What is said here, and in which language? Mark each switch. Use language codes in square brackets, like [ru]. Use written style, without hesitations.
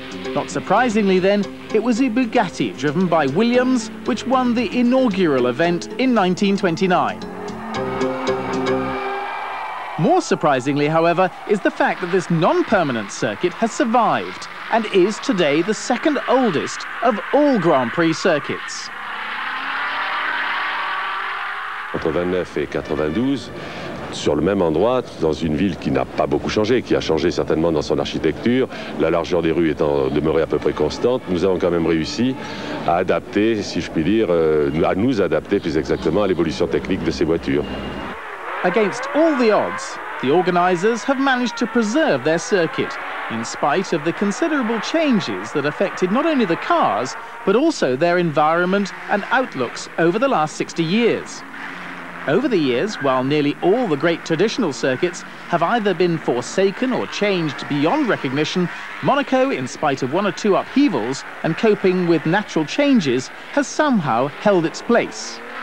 [en] Not surprisingly then, it was a Bugatti driven by Williams, which won the inaugural event in 1929. More surprisingly, however, is the fact that this non-permanent circuit has survived and is today the second oldest of all Grand Prix circuits. [fr] 89 et 92. Sur le même endroit, dans une ville qui n'a pas beaucoup changé, qui a changé certainement dans son architecture, la largeur des rues étant demeurée à peu près constante, nous avons quand même réussi à adapter, si je puis dire, à nous adapter plus exactement à l'évolution technique de ces voitures. [en] Against all the odds, the organizers have managed to preserve their circuit, in spite of the considerable changes that affected not only the cars, but also their environment and outlooks over the last 60 years. Over the years, while nearly all the great traditional circuits have either been forsaken or changed beyond recognition, Monaco, in spite of one or two upheavals and coping with natural changes, has somehow held its place.